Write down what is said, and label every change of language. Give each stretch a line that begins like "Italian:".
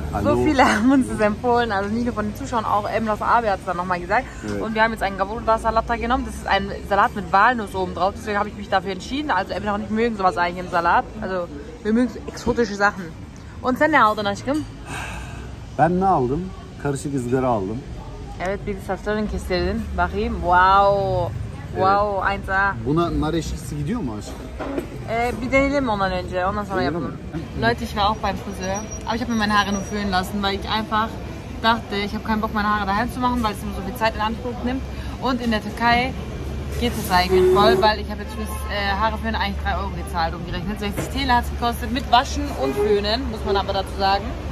German: So viele haben uns das empfohlen, also nicht nur von den Zuschauern, auch Emlos Abe hat es dann nochmal gesagt. Okay. Und wir haben jetzt einen Gavurda-Salat da genommen. Das ist ein Salat mit Walnuss oben drauf. Deswegen habe ich mich dafür entschieden. Also Emlos und ich mögen sowas eigentlich im Salat. Also wir mögen so exotische Sachen.
Turkish: Und sen ne aldın aşkım? Ben ne aldım? Karışık ızgara aldım. Evet, bir saçların kestirdin. Bakayım. Wow. Wow, 1A. Buna nar eşlisi gidiyor mu aşkım? Bir deneyelim ondan önce, ondan sonra yapalım.
German: Leute, ich war auch beim Friseur. Aber ich habe mir meine Haare nur föhnen lassen, weil ich einfach dachte, ich habe keinen Bock, meine Haare daheim zu machen, weil es immer so viel Zeit in Anspruch nimmt. Und in der Türkei geht es eigentlich voll, weil ich habe jetzt fürs Haare föhnen eigentlich 3 Euro gezahlt umgerechnet. 60 Tele hat es gekostet, mit Waschen und Föhnen, muss man aber dazu sagen.